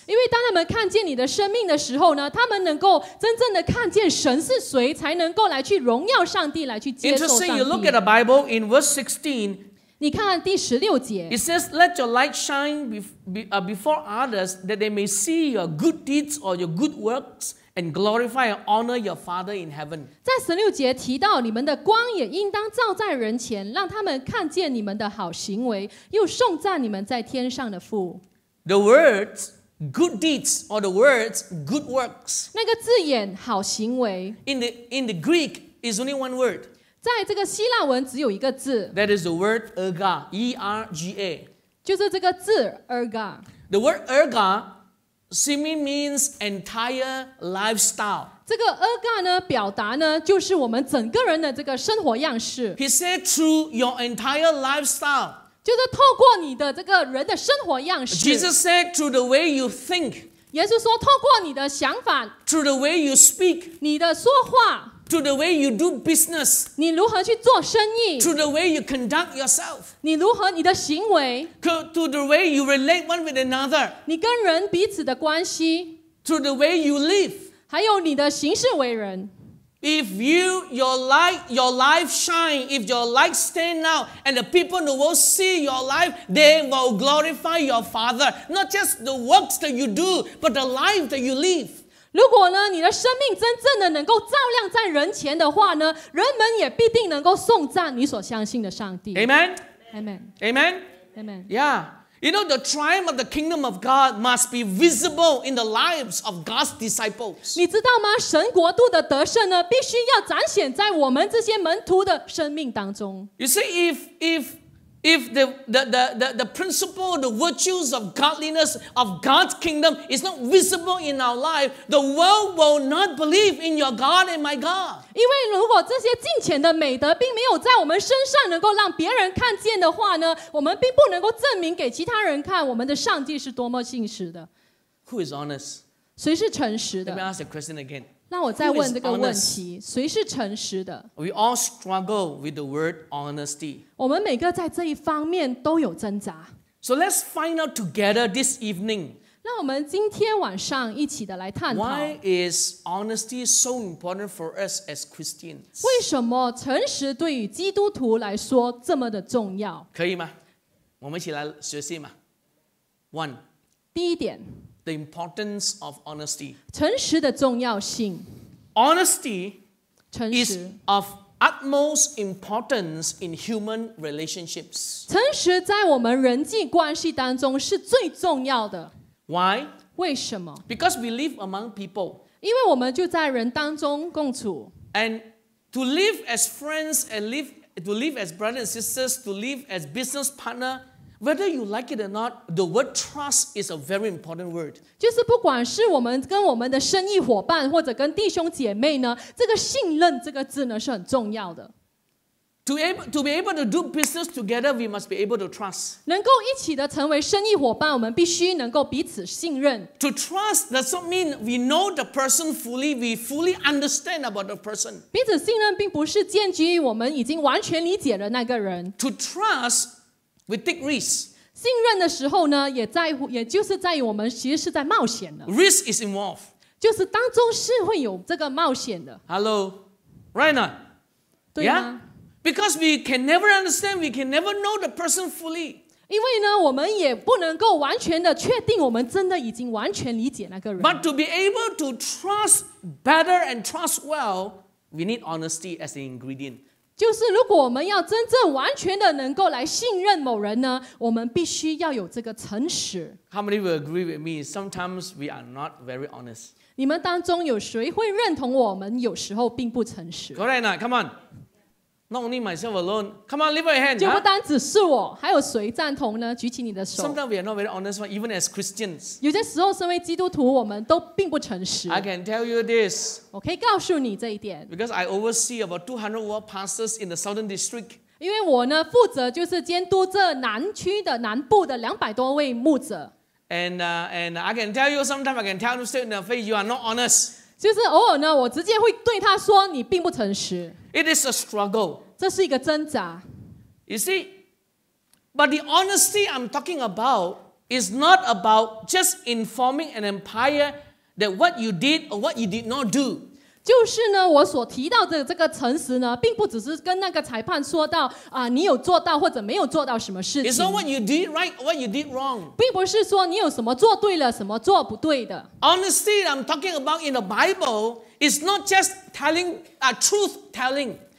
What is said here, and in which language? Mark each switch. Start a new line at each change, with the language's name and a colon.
Chinese: 因为当他们看见你的生命的时候呢，他们能够真正的看见神是谁，才能够来去荣耀上帝，来去接受上帝。
English: Interesting, you look at the Bible in verse 16.
Chinese: 你看看第十六节
English: It says, let your light shine before others that they may see your good deeds or your good works and glorify and honor your Father in heaven.
Chinese: 在十六节提到，你们的光也应当照在人前，让他们看见你们的好行为，又颂赞你们在天上的父。
English: The words good deeds or the words good works.
Chinese: 那个字眼好行为。
English: In the Greek is only one word.
Chinese: 在这个希腊文只有一个字。
English: That is the word erga, E-R-G-A.
Chinese: 就是这个字 erga。
English: The word erga simply means entire lifestyle.
Chinese: 这个 erga 呢，表达呢，就是我们整个人的这个生活样式。
English: He said through your entire lifestyle.
Chinese: 就是透过你的这个人的生活样式。
English: Jesus said through the way you think.
Chinese: 耶稣说透过你的想法。
English: Through the way you speak.
Chinese: 你的说话。
English: To the way you do business.
Chinese: 你如何去做生意。
English: To the way you conduct yourself.
Chinese: 你如何你的行为。
English: To the way you relate one with another.
Chinese: 你跟人彼此的关系。
English: To the way you live.
Chinese: 还有你的行事为人。
English: If you, your life shine, if your light stand out, and the people in the world see your life, they will glorify your Father. Not just the works that you do, but the life that you live.
Chinese: 如果呢，你的生命真正的能够照亮在人前的话呢，人们也必定能够颂赞你所相信的上帝。
English: Amen. Amen. Amen. Amen. Yeah. You know the triumph of the kingdom of God must be visible in the lives of God's disciples.
Chinese: 你知道吗？神国度的得胜呢，必须要展现在我们这些门徒的生命当中。
English: You see, if the principle, the virtues of godliness of God's kingdom is not visible in our life, the world will not believe in your God and my God.
Chinese: 因为如果这些敬虔的美德并没有在我们身上能够让别人看见的话呢，我们并不能够证明给其他人看我们的上帝是多么信实的。
English: Who is honest?
Chinese: 谁是诚实的？
English: Let me ask the question again.
Chinese: 让我再问这个问题，谁是诚实的？
English: We all struggle with the word honesty.
Chinese: 我们每个在这一方面都有挣扎。
English: So let's find out together this evening.
Chinese: 让我们今天晚上一起的来探讨。
English: Why is honesty so important for us as Christians?
Chinese: 为什么诚实对于基督徒来说这么的重要？可以吗？我们一起来学习嘛。
English: One.
Chinese: 第一点。
English: The importance of honesty.
Chinese: 诚实的重要性。
English: Honesty is of utmost importance in human relationships.
Chinese: 诚实在我们人际关系当中是最重要的。
English: Why?
Chinese: 为什么?
English: Because we live among people.
Chinese: 因为我们就在人当中共处。
English: And to live as friends and live as brothers and sisters, to live as business partner,Whether you like it or not, the word trust is a very important word.
Chinese: 就是不管是我们跟我们的生意伙伴或者跟弟兄姐妹呢，这个信任这个字呢是很重要的。
English: To be able to do business together, we must be able to trust.
Chinese: 能够一起的成为生意伙伴，我们必须能够彼此信任。
English: To trust does not mean we know the person fully, we fully understand about the person.
Chinese: 彼此信任并不是建基于我们已经完全理解了那个人。
English: To trust. We take risks.
Chinese: 信任的时候呢，也在乎，也就是在于我们其实是在冒险的。
English: Risk is involved.
Chinese: 就是当中是会有这个冒险的。
English: Hello, Raina.
Chinese: 对吗？
English: Yeah? Because we can never understand, we can never know the person fully.
Chinese: 因为呢，我们也不能够完全的确定我们真的已经完全理解那个人。
English: But to be able to trust better and trust well, we need honesty as the ingredient.
Chinese: 就是如果我们要真正完全的能够来信任某人呢，我们必须要有这个诚实。
English: How many will agree with me? Sometimes we are not very honest.
Chinese: 你们当中有谁会认同我们有时候并不诚实？
English: Correct, come on. Not only myself alone. Come on, lift your hand.
Chinese: 就不单只是我，还有谁赞同呢？举起你的手。
English: Sometimes we are not very honest, even as Christians.
Chinese: 有些时候身为基督徒，我们都并不诚实。
English: I can tell you this.
Chinese: 我可以告诉你这一点。
English: Because I oversee about 200 world pastors in the southern district.
Chinese: 因为我呢负责就是监督这南区的南部的200多位牧者。
English: And I can tell you sometimes I can tell you straight in the face you are not honest.
Chinese: 就是偶尔呢我直接会对他说你并不诚实。
English: It is a struggle.
Chinese: 这是一个挣扎。
English: You see, but the honesty I'm talking about is not about just informing an empire that what you did or what you did not do.
Chinese: 就是呢我所提到的这个诚实呢并不只是跟那个裁判说到、你有做到或者没有做到什么事情。
English: It's not what you did right or what you did wrong.
Chinese: 并不是说你有什么做对了什么做不对的。
English: Honesty I'm talking about in the Bible is not just telling, truth telling.